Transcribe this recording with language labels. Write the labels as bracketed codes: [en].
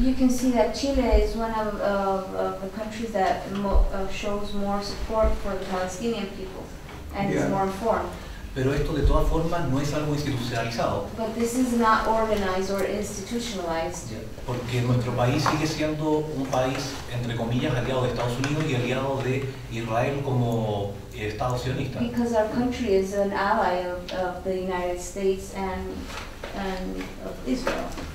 [en] You can see that Chile is one of the countries that shows more support for the Palestinian people and is more informed. [es] Pero esto de todas formas no es algo institucionalizado. [en] But this is not organized or institutionalized. [es] Porque nuestro país sigue siendo un país entre comillas aliado de Estados Unidos y aliado de Israel como Estado sionista. [en] Because our country is an ally of the United States and of Israel.